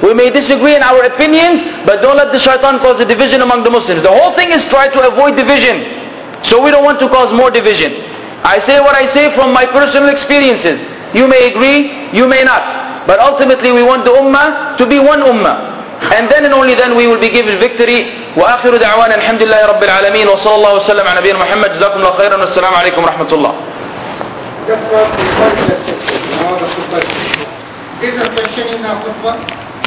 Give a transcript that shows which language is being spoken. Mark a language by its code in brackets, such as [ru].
[en] We may disagree in our opinions, but don't let the shaitan cause a division among the Muslims. The whole thing is try to avoid division. So we don't want to cause more division. I say what I say from my personal experiences. You may agree, you may not. But ultimately we want the ummah to be one ummah. And then and only then we will be given victory. [ar] وآخر دعوانا الحمد لله رب العالمين وصلى الله وسلم على نبينا محمد جزاكم الله خيرا والسلام عليكم ورحمة الله. [en] Is there a question in our football?